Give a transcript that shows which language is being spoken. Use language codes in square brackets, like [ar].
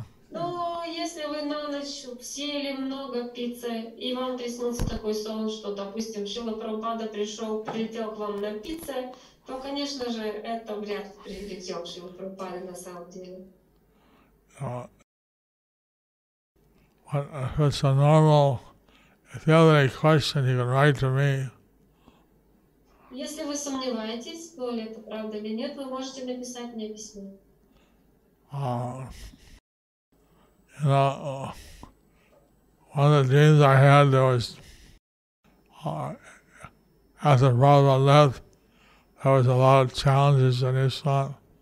[ru] Ну, если вы на ночь съели много пиццы, и вам приснился такой сон, что, допустим, Шрила Прабхупада пришел, прилетел к вам на пицце, то, конечно же, это вряд ли прилетел Шрила Прабхупада на самом деле. [en] But if it's a normal, if you have any question, you can write to me. [ru] Если вы сомневаетесь, то ли это правда или нет, вы можете написать мне письмо. [en] You know, one of the dreams I had, there was, after Prabhupada left, there was a lot of challenges in Islam.